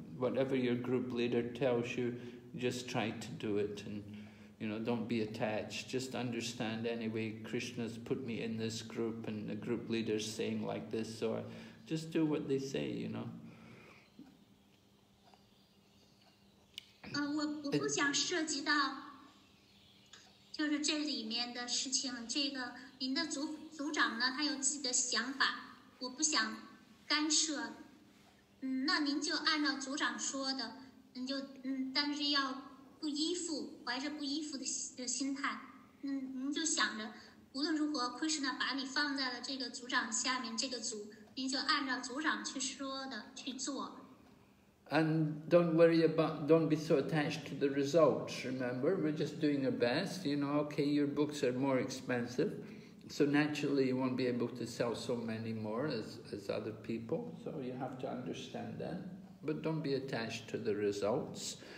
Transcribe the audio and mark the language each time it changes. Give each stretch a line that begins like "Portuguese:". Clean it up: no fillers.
English: Whatever your group leader tells you, just try to do it. And, you know, don't be attached. Just understand anyway, Krishna's put me in this group and the group leader's saying like this. So I just do what they say, you know.
Chinese: 我不想涉及到，就是这里面的事情。这个您的组长呢，他有自己的想法，我不想干涉。那您就按照组长说的，您就但是要不依附，怀着不依附的心态。您就想着，无论如何 ，Krishna 把你放在了这个组长下面这个组，您就按照组长去说的去做。
English: And don't worry about, don't be so attached to the results, remember? We're just doing our best, you know, okay, your books are more expensive. So naturally you won't be able to sell so many more as other people. So you have to understand that. But don't be attached to the results.